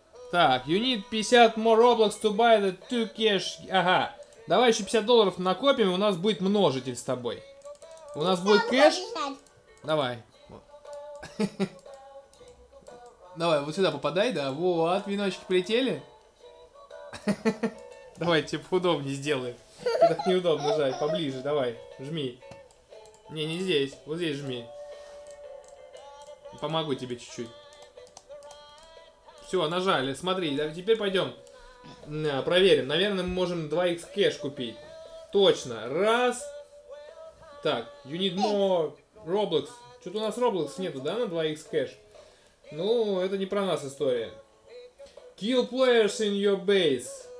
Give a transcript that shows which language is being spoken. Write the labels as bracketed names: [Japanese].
[Russian] Так, [English] you need 50 more Roblox to buy the 2 cash. [Russian] Ага, давай еще $50 накопим, и у нас будет множитель с тобой. У нас будет кэш. Давай. Давай, вот сюда попадай, да. Вот, веночки прилетели. Давай, тебе поудобнее сделаем. Так неудобно жать, поближе, давай, жми. Не, не здесь, вот здесь жми. Помогу тебе чуть-чуть. Все, нажали, смотри, да, теперь пойдем проверим. Наверное, мы можем 2x кэш купить. Точно, раз. Так, [English] you need more Roblox. [Russian] Что-то у нас Roblox нету, да, на 2x кэш? Ну, это не про нас история. [English] Kill players in your base.